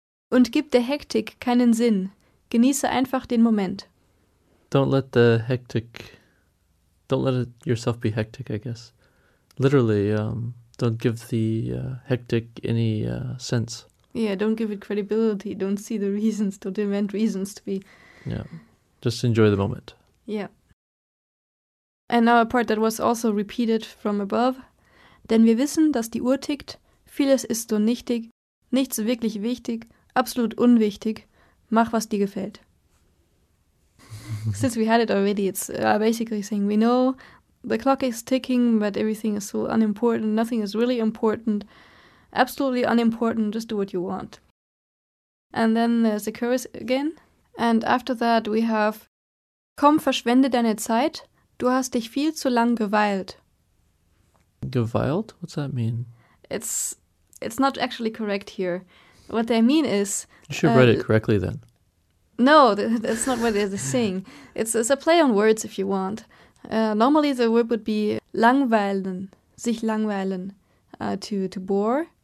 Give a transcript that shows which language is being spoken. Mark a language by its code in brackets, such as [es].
[de] Und gib der Hektik keinen Sinn. Genieße einfach den Moment. [en] Don't let yourself be hectic, I guess. Literally, don't give the hectic any sense. Yeah, don't give it credibility. Don't see the reasons. Don't invent reasons to be. Yeah, just enjoy the moment. Yeah. And now a part that was also repeated from above. [de] Denn wir wissen, dass die Uhr tickt. Vieles ist so nichtig. Nichts wirklich wichtig. Absolut unwichtig. Mach, was dir gefällt. [en] Since we had it already, it's basically saying we know the clock is ticking, but everything is so unimportant. Nothing is really important. Absolutely unimportant. Just do what you want. And then there's the chorus again. And after that we have, [de] komm, verschwende deine Zeit. Du hast dich viel zu lang geweilt. [en] Geweilt? What's that mean? It's not actually correct here. What they mean is... You should write it correctly then. No, that's not what they're saying. It's a play on words if you want. Normally the word would be langweilen, sich langweilen, to bore,